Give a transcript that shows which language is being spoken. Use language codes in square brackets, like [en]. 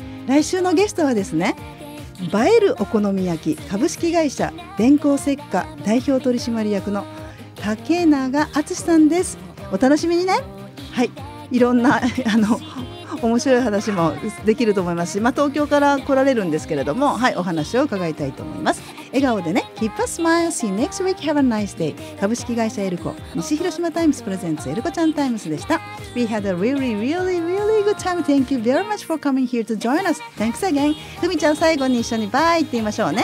[ja] 来週のゲストはですね、映えるお好み焼き株式会社電光石火代表取締役の竹永敦さんです。お楽しみにね。はい、いろんな面白い話もできると思いますし、まあ、東京から来られるんですけれども、はい、お話を伺いたいと思います。笑顔でね、 [en] Keep a smile, see next week, have a nice day. [ja] 株式会社エルコ西広島タイムスプレゼンツエルコちゃんタイムスでした。 [en] We had a really really really good time. Thank you very much for coming here to join us. Thanks again. [ja] ふみちゃん最後に一緒にバイって言いましょうね、